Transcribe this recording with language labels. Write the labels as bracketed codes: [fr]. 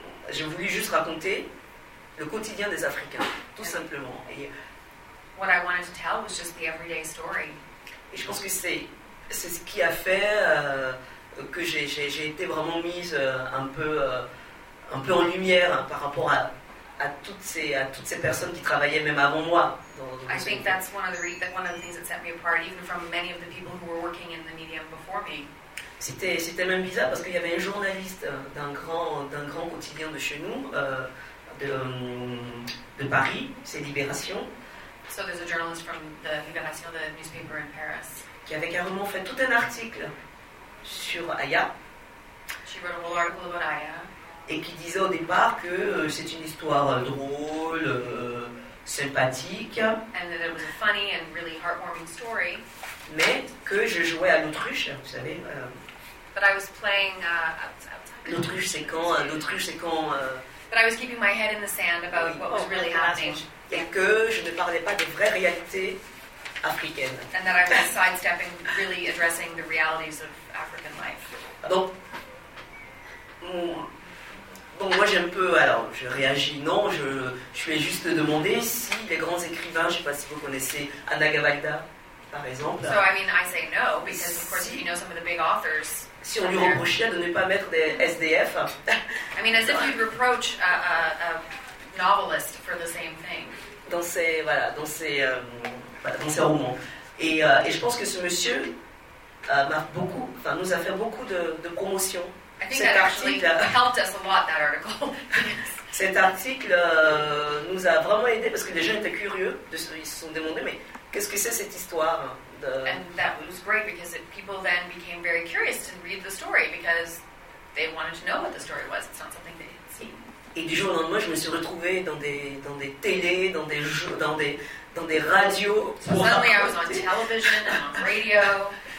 [fr] J'ai voulu juste raconter le quotidien des Africains, tout simplement. Et [en] what I wanted to tell was just the everyday story. [fr] Et je pense que c'est ce qui a fait que j'ai été vraiment mise un peu en lumière par rapport à toutes ces personnes qui travaillaient même avant moi. [en] I think that's one of the things that set me apart, even from many of the people who were working in the medium before me. [fr] C'était même bizarre parce qu'il y avait un journaliste d'un grand quotidien de chez nous, de Paris, c'est Libération. [en] So there's a journalist from the Libération, the newspaper in Paris. [fr] Qui avait carrément fait tout un article sur Aya. [en] She wrote a whole article about Aya. [fr] Et qui disait au départ que c'est une histoire drôle, sympathique. [en] And that it was a funny and really heartwarming story. [fr] Mais que je jouais à l'autruche, vous savez. [en] But I was playing [fr] L'autruche, c'est quand [en] But I was keeping my head in the sand about what was really happening. [fr] Et que je ne parlais pas des vraies réalités africaines. [en] And that I was sidestepping, really addressing the realities of African life. [fr] Donc, bon, moi, je réagis. Non, je vais juste demander si les grands écrivains, je ne sais pas si vous connaissez Anna Gavalda, par exemple. [en] So, I mean, I say no, because, of course, if you know some of the big authors. [fr] Si on lui reprochait de ne pas mettre des SDF. [en] I mean, as if you'd reproach a novelist for the same thing. [fr] Dans ses romans. Et je pense que ce monsieur nous a fait beaucoup de promotion. [en] I think that actually helped us a lot, that article. [fr] Cet article nous a vraiment aidé parce que les gens étaient curieux. Ils se sont demandé, mais qu'est-ce que c'est cette histoire de... [en] And that was great because people then became very curious to read the story because they wanted to know what the story was. It's not something they had seen. [fr] Et du jour au lendemain, je me suis retrouvée dans des télés, dans des radios. [en] So suddenly I was on television and on radio.